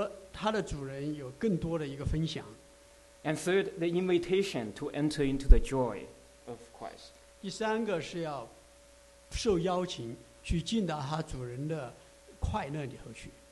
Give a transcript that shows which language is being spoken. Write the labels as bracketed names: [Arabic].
[Chinese] 第二呢就是要和他的主人有更多的一个分享。 [English] And third, the invitation to enter into the joy of Christ. [Chinese] 第三个是要受邀请去进到他主人的快乐里头去。